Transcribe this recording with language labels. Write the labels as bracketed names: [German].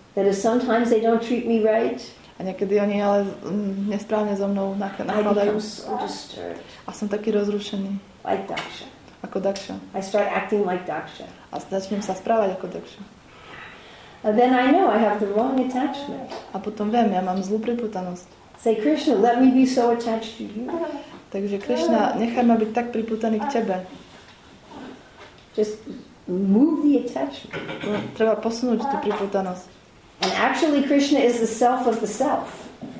[English] That is sometimes they don't treat me right. [Slovak] A niekedy oni ale nesprávne so mnou nakladajú. [English] So disturbed. [Slovak] A som taký rozrušený. [English] Like Daksha. [Slovak] Ako Daksha. [English] I start acting like Daksha. [Slovak] A začnem sa správať ako Daksha. [English] And then I know I have the wrong attachment. [Slovak] A potom viem, ja mám zlú pripútanosť. [English] Say Krishna, let me be so attached to you. [Slovak] Takže Krishna, nechaj ma byť tak pripútaný k tebe. [English] Just move the attachment. [Slovak] Treba posunúť tú pripútanosť. [English] And actually Krishna is the self of the self.